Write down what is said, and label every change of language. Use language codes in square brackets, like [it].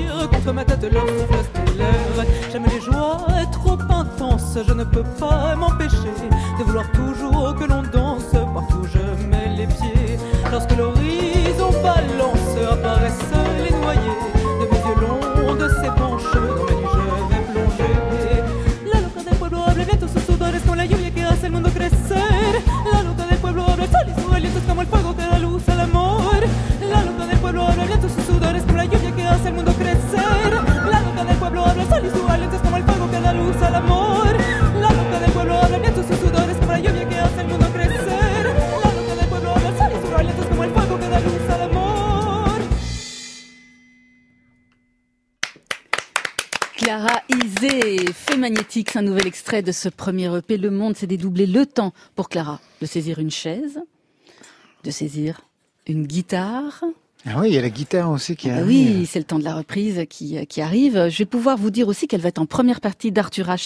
[fr] contre ma tête, leur souffle stellaire. J'aime les joies trop intenses, je ne peux pas m'empêcher de vouloir toujours que l'on danse. Partout où je mets les pieds, lorsque l'horizon balance, apparaissent les noyés de mes yeux longs, de ses penches. Dans mes nuits, je vais plonger. [es] La loca del pueblo habla viento, sus sudores con la lluvia que hace el mundo crecer. La loca del pueblo habla sol y su aliento es como el fuego que da luz al amor. La loca del pueblo habla viento, sus sudores con la lluvia que hace el mundo crecer. La loca del pueblo habla sol y su aliento es como el fuego que da luz al amor. La loca del pueblo habla viento, sus sudores con la lluvia que hace el mundo crecer. La loca del pueblo habla sol y su aliento es como el fuego que da luz al amor. [fr] Clara Isé, Feu Magnétique, c'est un nouvel extrait de ce premier EP. Le monde s'est dédoublé, le temps pour Clara de saisir une chaise, de saisir une guitare. Ah oui, il y a la guitare aussi qui arrive. Oui, c'est le temps de la reprise qui arrive. Je vais pouvoir vous dire aussi qu'elle va être en première partie d'Arthur H.